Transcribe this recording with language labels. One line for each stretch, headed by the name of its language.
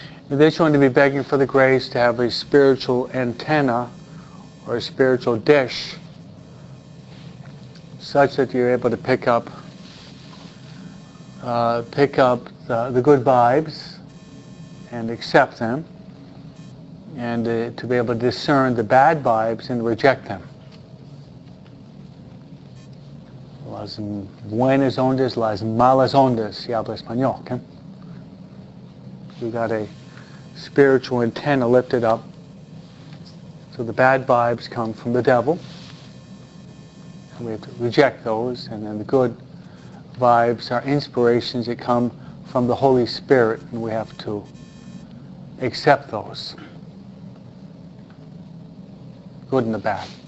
English: And they're going to be begging for the grace to have a spiritual antenna or a spiritual dish such that you're able to pick up the good vibes and accept them, and to be able to discern the bad vibes and reject them.
Spanish: Las buenas ondas, las malas ondas, si habla español, okay?
English: You got a spiritual antenna lifted up. So the bad vibes come from the devil. We have to reject those, and then the good vibes are inspirations that come from the Holy Spirit, and we have to accept those, good and the bad.